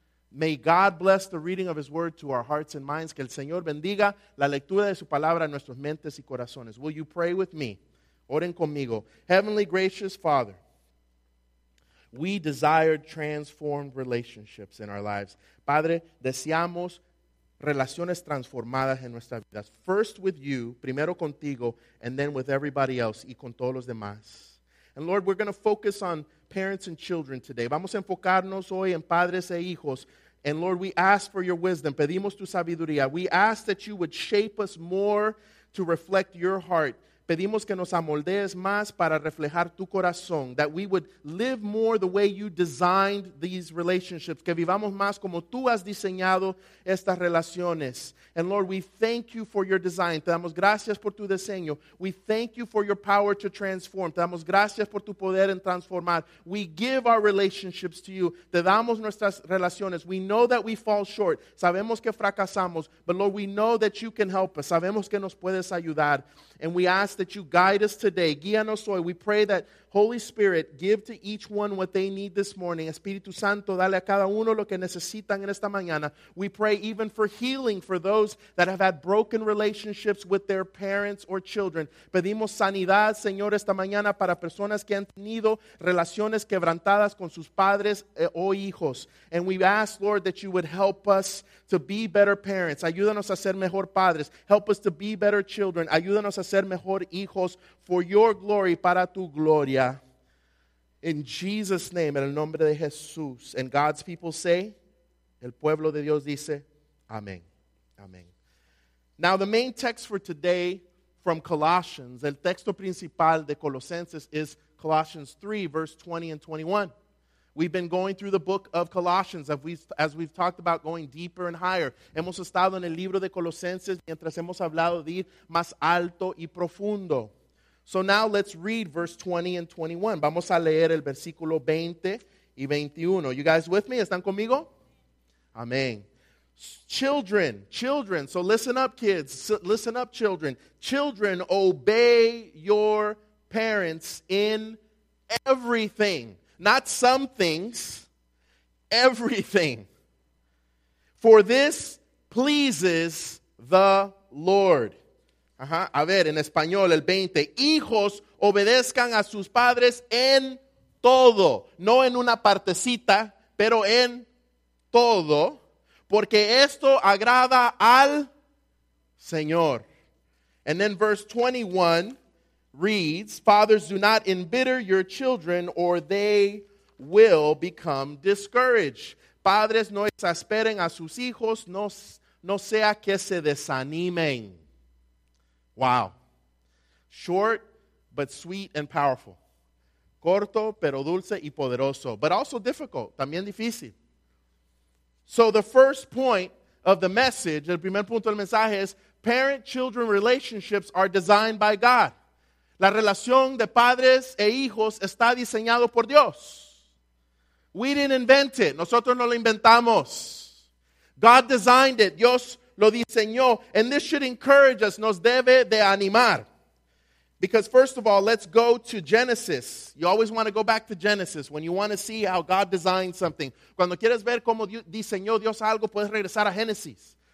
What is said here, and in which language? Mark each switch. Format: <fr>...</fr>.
<en>May God bless the reading of his word to our hearts and minds.</en> <es>Que el Señor bendiga la lectura de su palabra a nuestras mentes y corazones.</es> <en>Will you pray with me?</en> <es>Oren conmigo.</es> <en>Heavenly gracious Father, we desire transformed relationships in our lives.</en> <es>Padre, deseamos relaciones transformadas en nuestras vidas.</es> <en>First with you,</en> <es>primero contigo,</es> <en>and then with everybody else</en> <es>y con todos los demás.</es> <en>And Lord, we're going to focus on parents and children today.</en> <es>Vamos a enfocarnos hoy en padres e hijos.</es> <en>And Lord, we ask for your wisdom.</en> <es>Pedimos tu sabiduría.</es> <en>We ask that you would shape us more to reflect your heart.</en> <es>Pedimos que nos amoldees más para reflejar tu corazón.</es> <en>That we would live more the way you designed these relationships.</en> <es>Que vivamos más como tú has diseñado estas relaciones.</es> <en>And Lord, we thank you for your design.</en> <es>Te damos gracias por tu diseño.</es> <en>We thank you for your power to transform.</en> <es>Te damos gracias por tu poder en transformar.</es> <en>We give our relationships to you.</en> <es>Te damos nuestras relaciones.</es> <en>We know that we fall short.</en> <es>Sabemos que fracasamos.</es> <en>But Lord, we know that you can help us.</en> <es>Sabemos que nos puedes ayudar.</es> <en>And we ask that you guide us today.</en> <es>Guíanos hoy.</es> <en>We pray that Holy Spirit, give to each one what they need this morning.</en> <es>Espíritu Santo, dale a cada uno lo que necesitan en esta mañana.</es> <en>We pray even for healing for those that have had broken relationships with their parents or children.</en> <es>Pedimos sanidad, Señor, esta mañana para personas que han tenido relaciones quebrantadas con sus padres o hijos.</es> <en>And we ask, Lord, that you would help us to be better parents.</en> <es>Ayúdanos a ser mejor padres.</es> <en>Help us to be better children.</en> <es>Ayúdanos a ser mejor hijos</es> <en>for your glory,</en> <es>para tu gloria.</es> <en>In Jesus' name,</en> <es>en el nombre de Jesús.</es> <en>And God's people say,</en> <es>el pueblo de Dios dice, amén. Amén.</es> <en>Now, the main text for today from Colossians,</en> <es>el texto principal de Colosenses</es> <en>is Colossians 3, verse 20 and 21. We've been going through the book of Colossians as we've talked about going deeper and higher.</en> <es>Hemos estado en el libro de Colosenses mientras hemos hablado de ir más alto y profundo.</es> <en>So now let's read verse 20 and 21.</en> <es>Vamos a leer el versículo 20 y 21.</es> <en>You guys with me?</en> <es>¿Están conmigo?</es> <en>Amén. Children. So listen up, kids. Listen up, children. Children, obey your parents in everything. Not some things, everything. For this pleases the Lord.</en> <es>A ver, en español, el 20. Hijos, obedezcan a sus padres en todo. No en una partecita, pero en todo. Porque esto agrada al Señor.</es> <en>And then verse 21 reads, fathers, do not embitter your children or they will become discouraged.</en> <es>Padres, no exasperen a sus hijos, no sea que se desanimen.</es> <en>Wow. Short, but sweet and powerful.</en> <es>Corto, pero dulce y poderoso.</es> <en>But also difficult,</en> <es>también difícil.</es> <en>So the first point of the message,</en> <es>el primer punto del mensaje es,</es> <en>parent-children relationships are designed by God.</en> <es>La relación de padres e hijos está diseñado por Dios.</es> <en>We didn't invent it.</en> <es>Nosotros no lo inventamos.</es> <en>God designed it.</en> <es>Dios lo diseñó.</es> <en>And this should encourage us.</en> <es>Nos debe de animar.</es> <en>Because first of all, let's go to Genesis. You always want to go back to Genesis when you want to see how God designed something.</en> <es>Cuando quieres ver cómo diseñó Dios algo, puedes regresar a Génesis.</es>